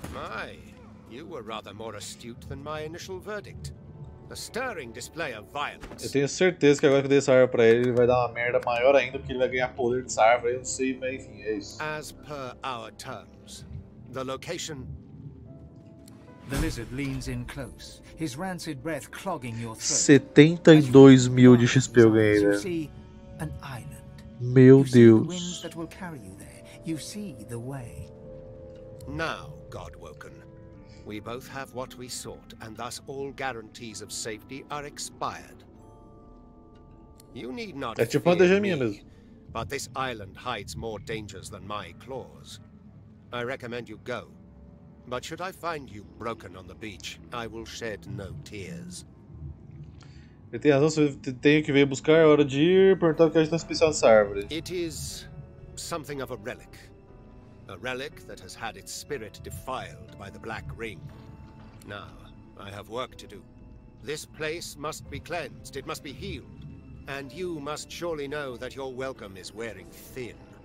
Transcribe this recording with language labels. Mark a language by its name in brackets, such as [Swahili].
[English] My, you were rather more astute than my initial verdict. A stirring display of violence. [Portuguese] Eu tenho certeza que agora que eu dei essa arma pra ele, ele vai dar uma merda maior ainda, porque ele vai ganhar poder dessa árvore. Eu não sei, mas enfim, é isso. [English] As per our terms. The location. The lizard leans in close, his rancid breath clogging your throat. [Portuguese] 72,000 de XP eu ganhei. [English] You see an island. [Portuguese] Meu Deus. [English] You see the winds that will carry you there. You see the way. Now, Godwoken, we both have what we sought, and thus all guarantees of safety are expired. You need not fear me, but this island hides more dangers than my claws. I recommend you go, but should I find you broken on the beach, I will shed no tears. [Portuguese] Ele tem razão, você tem que vir buscar, é hora de ir, perguntar o que a gente tem especial nessa árvore. [English] It is something of a relic that has had its spirit defiled by the Black Ring. Now, I have work to do. This place must be cleansed, it must be healed, and you must surely know that your welcome is wearing thin.